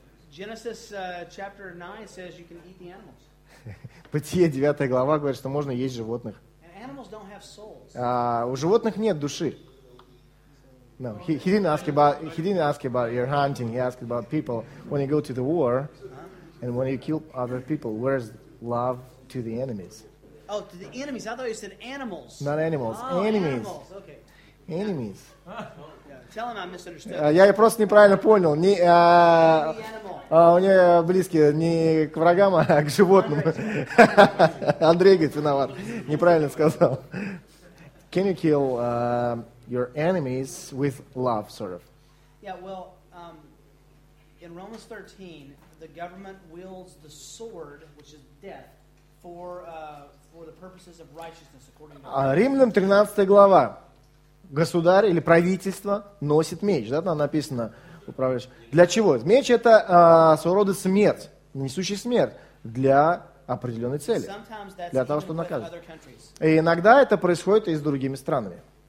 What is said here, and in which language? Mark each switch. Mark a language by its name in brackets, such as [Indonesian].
[English] Genesis chapter 9 says you can eat the animals. [Russian] Бытие 9 глава говорит, что можно есть животных. [English] And animals don't have souls. [Russian] У животных нет души. [English] No, he didn't ask about your hunting. He asked about people. When you go to the war, and when you kill other people, where's love to the enemies? Oh, to the enemies. I thought you said animals. Not animals. Oh, enemies. Okay. Enemies. Yeah. Tell him I misunderstood. [Russian] Я просто неправильно понял. Не у меня близкие не к врагам, а к животным. Андрей говорит, виноват. Неправильно сказал. [English] Can you kill your enemies with love, sort of? Yeah, well, in Romans 13, the government wields the sword, which is death, for the purposes of righteousness, according to God. [Russian] Римлянам 13 глава. Государь или правительство носит меч. Да, там написано, управляешь. Для чего? Меч — это своего рода смерть, несущий смерть для определенной цели, для того, чтобы наказывать. И иногда это происходит и с другими странами.